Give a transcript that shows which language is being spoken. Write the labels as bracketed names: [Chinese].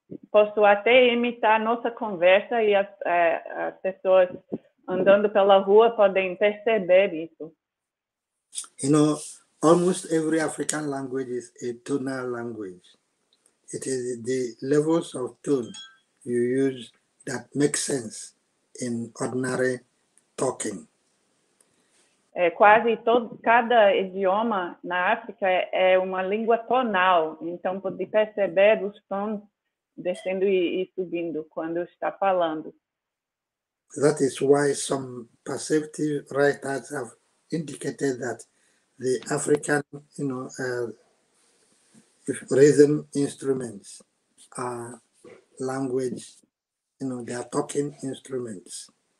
[Portuguese] Posso até imitar nossa conversa e as pessoas andando pela rua podem perceber isso. [English] You know, almost every African language is a tonal language. It is the levels of tone you use that make sense in ordinary talking. [Portuguese] Quase todo, cada idioma na África é uma língua tonal, então pode perceber os tons descendo e subindo quando está falando. [English] That is why some perceptive writers have indicated that the African, you know, rhythm instruments are language, you know, they are talking instruments.